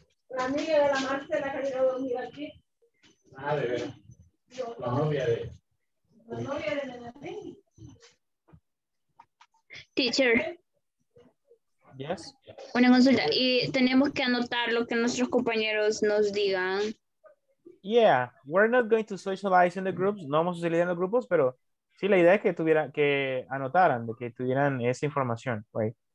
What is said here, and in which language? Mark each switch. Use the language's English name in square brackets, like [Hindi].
[Spanish] La amiga de la marcha la que ha llegado a dormir aquí. Ah, de ver. La novia de. La novia de [English] Teacher. Yes. [Spanish] Una consulta. Y tenemos que anotar lo que nuestros compañeros nos digan. [English] Yeah, we're not going to socialize in the groups. [Spanish] No vamos a socializar en los grupos, pero sí, la idea es que tuvieran que anotaran, de que tuvieran esa información, right?